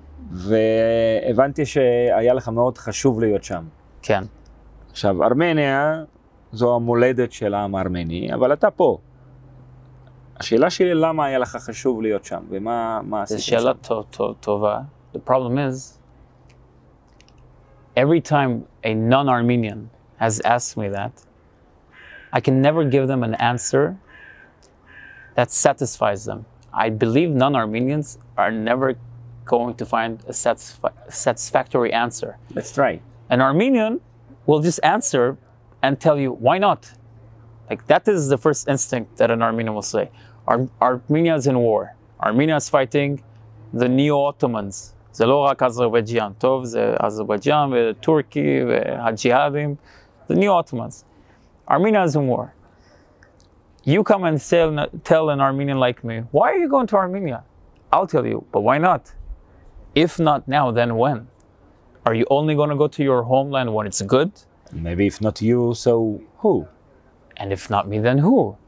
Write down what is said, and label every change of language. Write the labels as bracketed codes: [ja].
[he] והבנתי שהיה לך מאוד חשוב להיות שם. כן. עכשיו, ארמניה זו המולדת של העם הארמני, אבל אתה פה. השאלה שלי, למה היה לך חשוב להיות שם? ומה עשית שם? זו שאלה טובה. [en] The problem is, every time a non-Armenian has asked me that, I can never give them an answer that satisfies them. I believe non-Armenians are never going to find a satisfactory answer. Let's try. An Armenian will just answer and tell you, why not? Like, that is the first instinct that an Armenian will say. Armenia is in war. Armenia is fighting the Neo-Ottomans. [he] זה לא רק אזרבייג'אן, טוב, זה אזרבייג'אן וטורקי והג'יהאדים, [en] the Neo-Ottomans. Armenia is in war. You come and tell an Armenian like me, why are you going to Armenia? I'll tell you, but why not? If not now, then when? Are you only going to go to your homeland when it's good? Maybe if not you, so who? And if not me, then who?